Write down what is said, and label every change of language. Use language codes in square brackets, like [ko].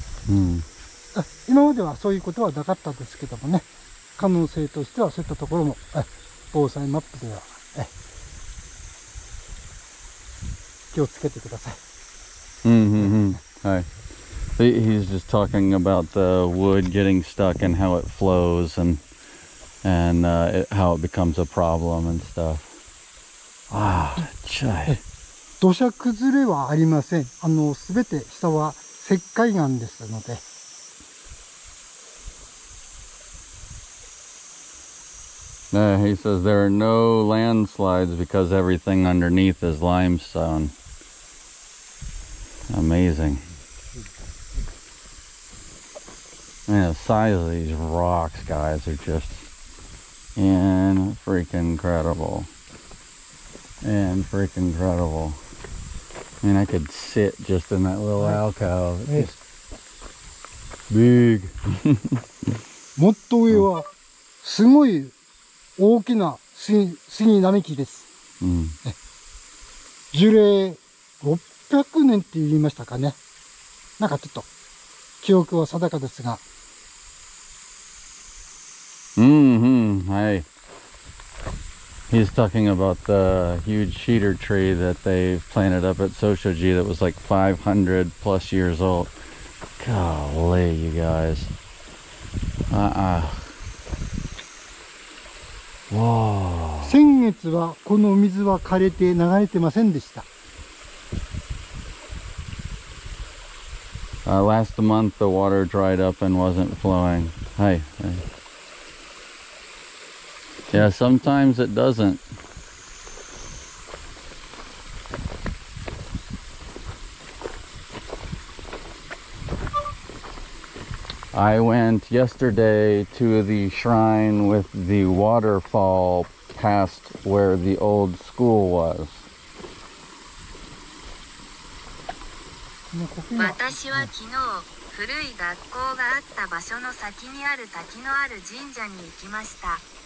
[ja] うん、今まではそういうことはなかったですけどもね、可能性としてはそういったところも防災マップでは気をつけてください。はい。 [en] He's just talking about the wood getting stuck and how it flows and how it becomes a problem and stuff. Ah, chai. [ja] 土砂崩れはありません。あの、すべて下は石灰岩ですので。 [en] He says there are no landslides because everything underneath is limestone. Amazing. Man, the size of these rocks, guys, are just in freaking incredible. I mean, I could sit just in that little alcove. It's just big. [ja] もっと上はすごい大きな杉並木です。樹齢600年って言いましたかね。なんかちょっと記憶は定かですが。 [en] He's talking about the huge cedar tree that they planted up at Soshoji that was like 500 plus years old. Golly, you guys. Wow. [ja] 先月はこの水は枯れて流れてませんでした。 [en] Last month the water dried up and wasn't flowing. Hi. Yeah, sometimes it doesn't. I went yesterday to the shrine with the waterfall past where the old school was. [ja] 私は昨日、古い学校があった場所の先にある滝のある神社に行きました。